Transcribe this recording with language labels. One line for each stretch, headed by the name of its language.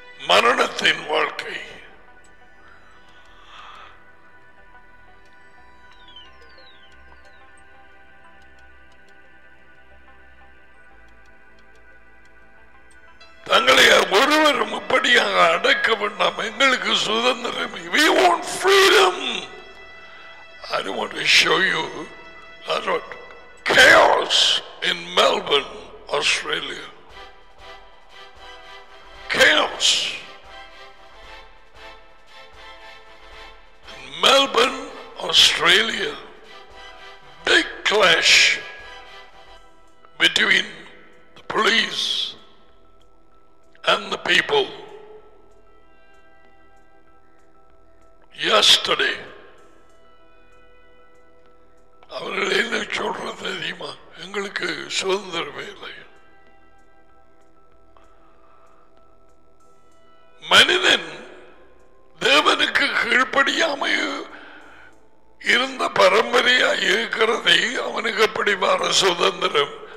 Tamil: மரணத்தின் வாழ்க்கை தங்களை ஒருவரும் இப்படியாக அடக்க வேண்டாம். எங்களுக்கு சுதந்திரம்.
English: We want freedom. I don't want to show you about chaos in Melbourne, Australia. Chaos. Melbourne, Australia, big clash between the police and the people.
Tamil: Yesterday, அவர்கள் என்ன சொல்றது தெரியுமா? எங்களுக்கு சுதந்திரமே இல்லை. மனிதன் தேவனுக்கு கீழ்படியாமல் இருந்த பரம்பரையா இருக்கிறதே அவனுக்கு எப்படி மாற சுதந்திரம்?